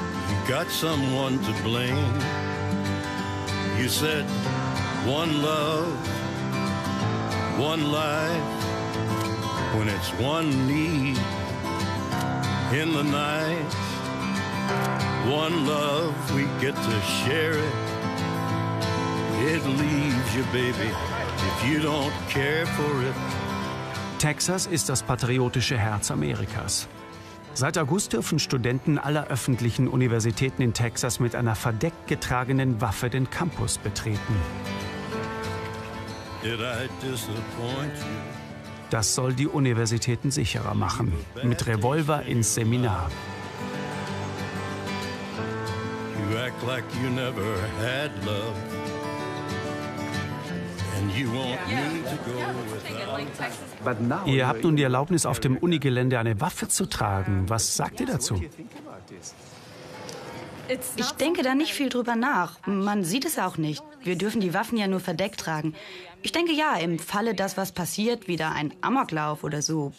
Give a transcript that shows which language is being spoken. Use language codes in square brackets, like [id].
[en] You got someone to blame. You said one love, one life, when it's one need in the night. One love, we get to share it. It leaves you, baby, if you don't care for it. [de] Texas ist das patriotische Herz Amerikas. Seit August dürfen Studenten aller öffentlichen Universitäten in Texas mit einer verdeckt getragenen Waffe den Campus betreten. [en] Did I disappoint you? [de] Das soll die Universitäten sicherer machen, mit Revolver ins Seminar. [en] You act like you never had love. And [de] Ihr habt nun die Erlaubnis, auf dem Unigelände eine Waffe zu tragen. Was sagt ihr dazu? Ich denke da nicht viel drüber nach. Man sieht es auch nicht. Wir dürfen die Waffen ja nur verdeckt tragen. Ich denke ja, im Falle, dass was passiert, wieder ein Amoklauf oder so.